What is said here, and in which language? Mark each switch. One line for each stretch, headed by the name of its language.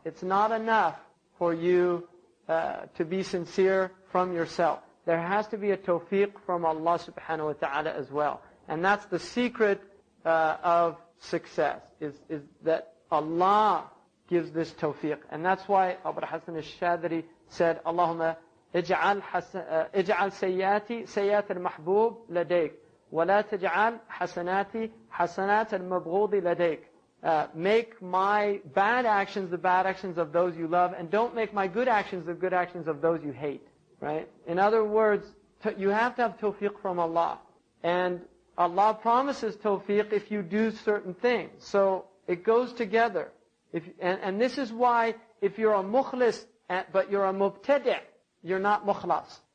English: It's not enough for you to be sincere from yourself. There has to be a tawfiq from Allah subhanahu wa ta'ala as well. And that's the secret of success, is that Allah gives this tawfiq. And that's why Abu Hassan al-Shadri said,
Arabic: Allahumma اجعل سيئاتي سيئات المحبوب لديك ولا تجعل حسناتي حسنات المبغوض لديك.
English: Make my bad actions the bad actions of those you love, and don't make my good actions the good actions of those you hate. Right? In other words, you have to have tawfiq from Allah. And Allah promises tawfiq if you do certain things. So it goes together. And this is why if you're a mukhlis, but you're a mubtadi', you're not mukhlas.